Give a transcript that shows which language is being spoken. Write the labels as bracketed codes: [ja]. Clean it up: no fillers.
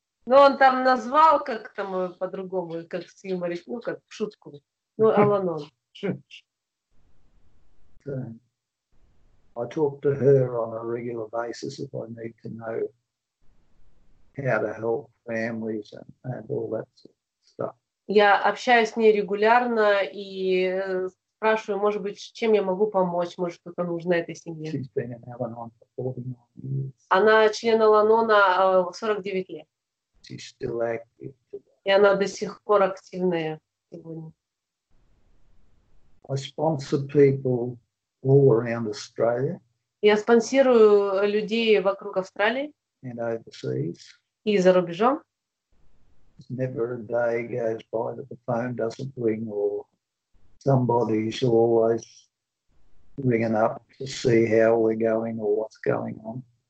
[ru] Но он там назвал как там по-другому, как с юморит, ну как в шутку. Ну Аланон. [en] So, I talk to her on a regular basis if I need to know how to help families and all that stuff. [ru] Я общаюсь с ней регулярно и спрашиваю, может быть, чем я могу помочь, может, что-то нужно этой семье. [en] She's been in Al-Anon for 49 years. [ru] Она член Al-Anon 49 лет. [en] She's still active today. [ru] И она до сих пор активная сегодня. [en] I sponsor people all around Australia. [ru] Я спонсирую людей вокруг Австралии. [en] And overseas. [ru] И за рубежом. [en] Never a day goes by that the phone doesn't ring or somebody's always ringing up to see how we're going or what's going on.